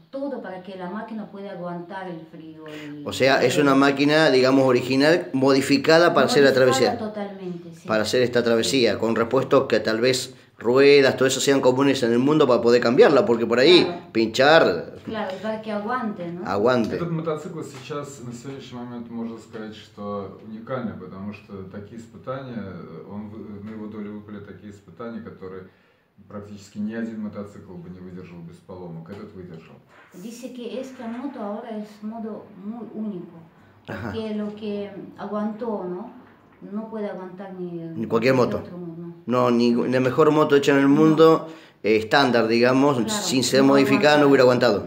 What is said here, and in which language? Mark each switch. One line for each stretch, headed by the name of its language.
Spanish: Todo para que la máquina pueda aguantar el frío. O sea, es una máquina, digamos, original, modificada para hacer la travesía. Totalmente, sí. Para hacer esta travesía, con repuestos que tal vez ruedas, todo eso sean comunes en el mundo para poder cambiarla, porque por ahí, claro. Pinchar... Claro, para que aguante, ¿no? Aguante.
Russian: Этот мотоцикл сейчас, на сегодняшний момент, можно сказать, что уникальный, потому что такие испытания, он на его долю выпали такие испытания, которые практически ни один мотоцикл бы не выдержал без поломок. Этот выдержал.
Spanish: Dice que esta moto ahora es modo muy único. Que lo que aguantó, ¿no? No puede aguantar ni cualquier moto. No, ni la mejor moto hecha en el mundo. No. Estándar, digamos, claro, sin ser modificada no hubiera aguantado.